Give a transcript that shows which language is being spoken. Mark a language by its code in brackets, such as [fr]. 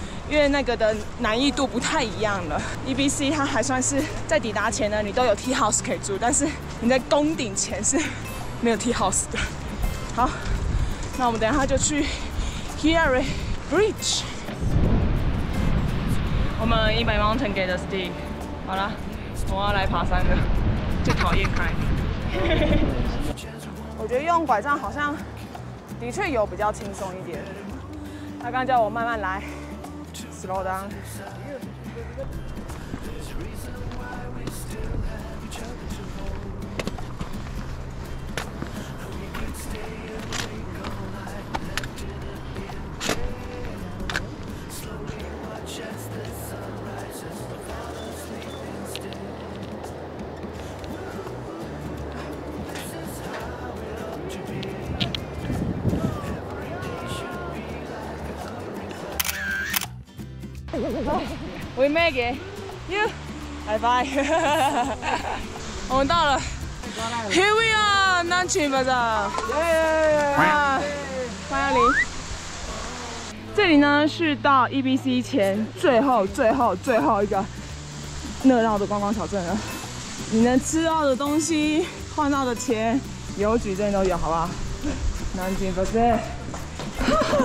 [zh] 因为那个的难易度不太一样了 ，EBC 它还算是在抵达前呢，你都有 tea house 可以住，但是你在攻顶前是没有 tea house 的。好，那我们等一下就去 Hiare Bridge。我们100 mountain 给的 stick。好了，我要来爬山了，最讨厌 climb。我觉得用拐杖好像的确有比较轻松一点。他刚叫我慢慢来。 [en] Slow down. There's a reason why we still have each other to hold. We could stay awake all night and have dinner in jail. Slowly watch as the sun rises to fall asleep instead. This is how it ought to be. [zh] 我 Maggie，you， 拜拜。我们到了。 Here we are，南区，欢迎。这里呢是到 EBC 前最后一个热闹的观光小镇了。你能吃到的东西，换到的钱，邮局这里都有，好不好？南区，拜拜。